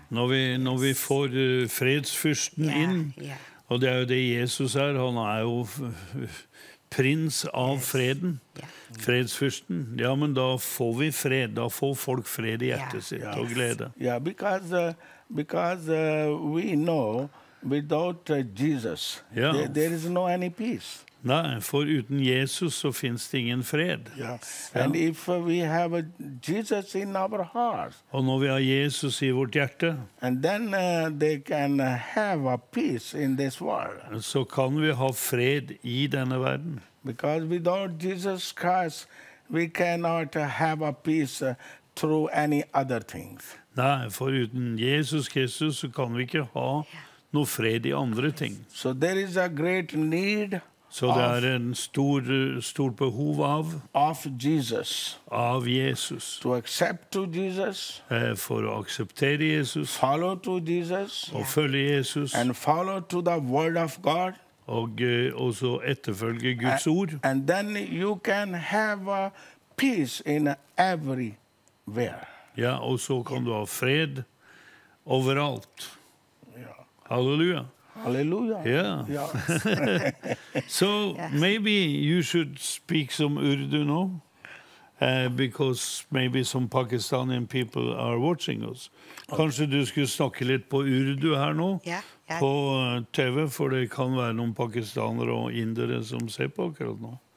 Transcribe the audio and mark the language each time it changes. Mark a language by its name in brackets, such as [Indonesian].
[Norwegian] Når vi får fredsfyrsten inn, og det er jo det Jesus er, han er jo prins av freden, fredsfyrsten. Ja, men da får vi fred, da får folk fred i hjertet sitt og glede. [English] Ja, because we know without Jesus, there is no any peace. [Norwegian] Nei, for uten Jesus så finnes det ingen fred. [English] Yeah. And if we have Jesus in our heart. [Norwegian] Og når vi har Jesus i vårt hjerte. [English] And then they can have a peace in this world. [Norwegian] Så kan vi ha fred i denne verden. [English] Because without Jesus Christ, we cannot have a peace through any other things. [Norwegian] Nei, for uten Jesus Kristus så kan vi ikke ha noe fred i andre ting. [English] So there is a great need. [Norwegian] Så det er en stor behov av [English] Jesus. [Norwegian] Av Jesus. [English] To accept to Jesus. [Norwegian] For å akseptere Jesus. [English] Follow to Jesus. [Norwegian] Og følge Jesus. [English] And follow to the word of God. [Norwegian] Og også etterfølge Guds ord. [English] And then you can have peace in everywhere. [Norwegian] Ja, og så kan du ha fred overalt. Ja. Halleluja. [English] Hallelujah. Yeah. So maybe you should speak some Urdu now, because maybe some Pakistani people are watching us. [Norwegian] Kanskje du skulle snakke litt på Urdu her nå, på TV, for det kan være noen pakistanere og indere som ser på akkurat nå.